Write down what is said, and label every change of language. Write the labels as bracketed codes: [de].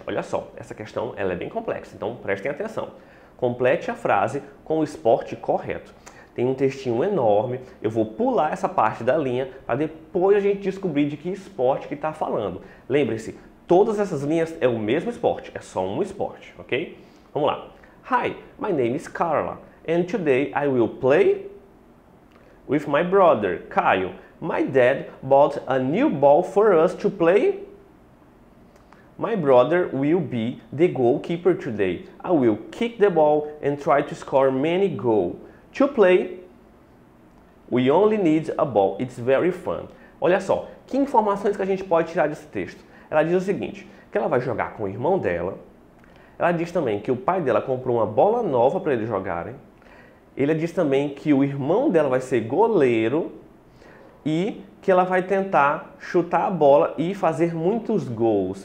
[pt] Olha só, essa questão ela é bem complexa, então prestem atenção. Complete a frase com o esporte correto. Tem um textinho enorme, eu vou pular essa parte da linha para depois a gente descobrir de que esporte que está falando. Lembre-se, todas essas linhas é o mesmo esporte, é só um esporte, ok? Vamos lá. [en] Hi, my name is Carla, and today I will play with my brother, Caio. My dad bought a new ball for us to play. My brother will be the goalkeeper today. I will kick the ball and try to score many goals. To play, we only need a ball. It's very fun. [pt] Olha só, que informações que a gente pode tirar desse texto? Ela diz o seguinte, que ela vai jogar com o irmão dela. Ela diz também que o pai dela comprou uma bola nova para eles jogarem. Ele diz também que o irmão dela vai ser goleiro e que ela vai tentar chutar a bola e fazer muitos gols.